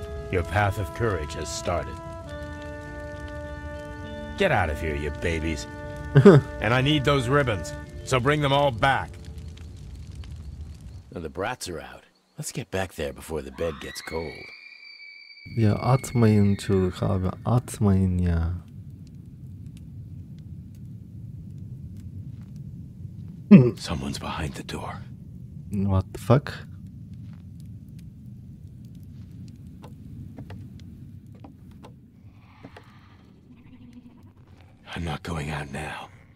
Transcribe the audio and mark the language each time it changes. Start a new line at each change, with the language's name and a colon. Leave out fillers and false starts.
English: Your path of courage has started. Get out of here, you babies. And I need those ribbons. So bring them all back. The brats are out. Let's get back there before the bed gets cold.
Turkish: Ya atmayın çocuk abi, atmayın ya.
English: Someone's behind the door. What the fuck? I'm not going out now.